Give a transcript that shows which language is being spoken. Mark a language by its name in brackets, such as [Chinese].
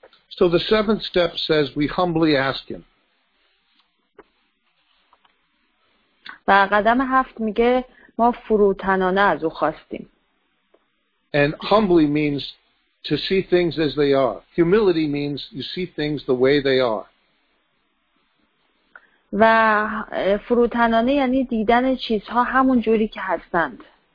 [English] So the seventh step says we humbly ask him. [Persian] و قدم هفت میگه ما فروتنانه از او خواستیم. [English] And humbly means to see things as they are. Humility means you see things the way they are. [Persian] و فروتنانه یعنی دیدن چیزها همون جوری که هستند.